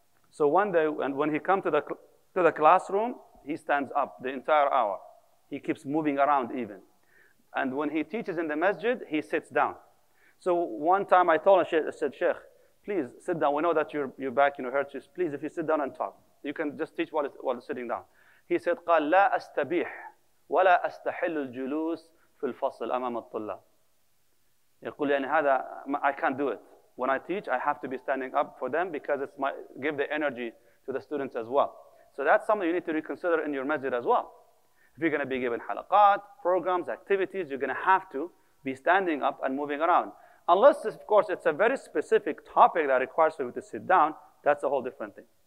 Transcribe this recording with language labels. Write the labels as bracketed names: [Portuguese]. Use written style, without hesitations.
[English] So one day, and when he comes to the classroom, he stands up the entire hour. He keeps moving around even. And when he teaches in the masjid, he sits down. So one time I told him, I said, Sheikh, please sit down. We know that your back, you know, hurts you. Please, if you sit down and talk, you can just teach while sitting down. [Arabic] He said, قال لا أستبيح ولا أستحل الجلوس في الفصل أمام الطلاب. يقول يعني هذا, [English] I can't do it. When I teach, I have to be standing up for them because it's my, give the energy to the students as well. So that's something you need to reconsider in your masjid as well. If you're going to be given halaqat, programs, activities, you're going to have to be standing up and moving around. Unless, of course, it's a very specific topic that requires you to sit down, that's a whole different thing.